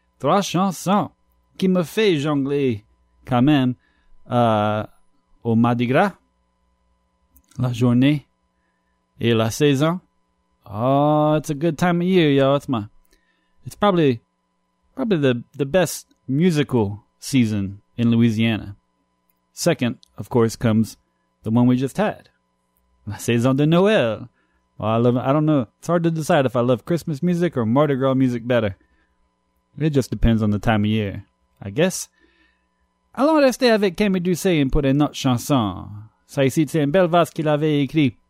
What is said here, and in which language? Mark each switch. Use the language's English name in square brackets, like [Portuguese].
[French] Trois chansons qui me fait jongler quand même au Mardi Gras. La journée et la saison. [English] Oh, it's a good time of year, y'all. It's probably the best musical season in Louisiana. Second, of course, comes the one we just had. [French] La Saison de Noël. [English] Well, I don't know. It's hard to decide if I love Christmas music or Mardi Gras music better. It just depends on the time of year, I guess. [French] Alors, restez avec Camille Doucet et pour une autre chanson. Ça ici, c'est une belle vase qu'il avait écrit.